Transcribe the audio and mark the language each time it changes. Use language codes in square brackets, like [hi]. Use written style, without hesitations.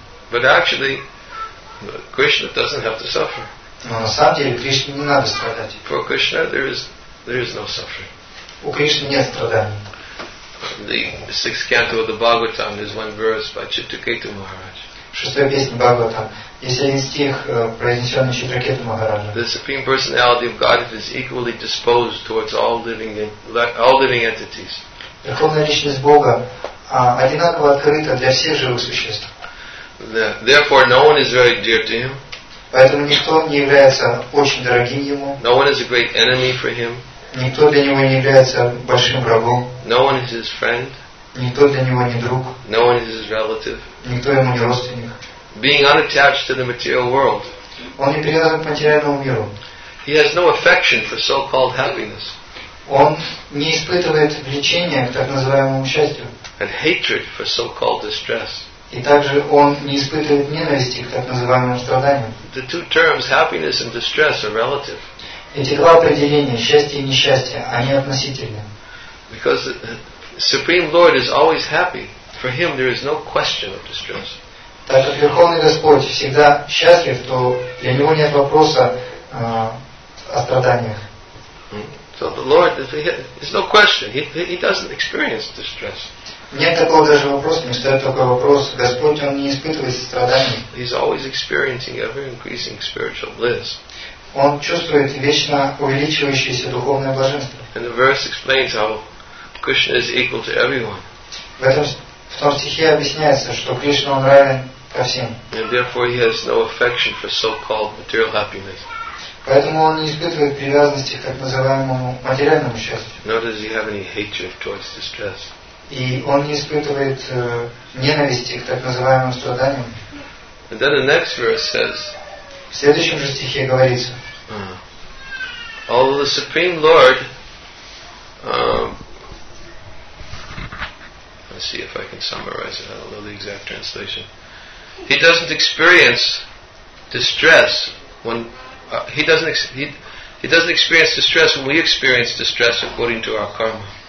[en] But actually, Krishna doesn't have to suffer. [ru] Но на самом деле Кришне не надо страдать. [en] For Krishna, there is no suffering. [ru] У Кришны нет страданий. [en] The sixth canto of the Bhagavatam is one verse by Chittaketu Maharaj. [ru] Шестая песня Бхагаватам. Есть один стих, произнесенный Читракету Махараджа. [en] The supreme personality of Godhead is equally disposed towards all living entities. [ru] Верховная личность Бога одинаково открыта для всех живых существ. [en] Therefore, no one is very dear to him. [ru] Поэтому никто не является очень дорогим ему. [en] No one is a great enemy for him. [ru] Никто для него не является большим врагом. [en] No one is his friend. [ru] Никто для него не друг. [en] No one is his relative. [ru] Никто ему не родственник. [en] Being unattached to the material world. [ru] Он не привязан к материальному миру. [en] He has no affection for so-called happiness. [ru] Он не испытывает влечения к так называемому счастью. [en] And hatred for so-called distress. [ru] И также он не испытывает ненависти к так называемым страданиям. [en] The two terms, happiness and distress, are relative. [ru] Эти два определения, счастье и несчастье, они относительны. [en] Because the Supreme Lord is always happy. For him there is no question of distress. [ru] Так как Верховный Господь всегда счастлив, то для него нет вопроса о страданиях. [en] So the Lord, there's no question. He doesn't experience distress. [ru] Нет такого даже вопроса, не стоит такой вопрос. Господь, он не испытывает страданий. [en] He's always experiencing ever increasing spiritual bliss. [ru] Он чувствует вечно увеличивающееся духовное блаженство. [en] And the verse explains how Krishna is equal to everyone. [ru] В том стихе объясняется, что Кришна он равен ко всем. [en] And therefore he has no affection for so-called material happiness. [ru] Поэтому он не испытывает привязанности к так называемому материальному счастью. [en] Nor does he have any hatred towards distress. [ru] И он не испытывает ненависти к так называемым страданиям. [en] And then the next verse says. [ru] В следующем же стихе говорится. [en] Although the Supreme Lord, let's see if I can summarize it. I don't know the exact translation. He doesn't experience distress when. He doesn't experience distress when we experience distress according to our karma.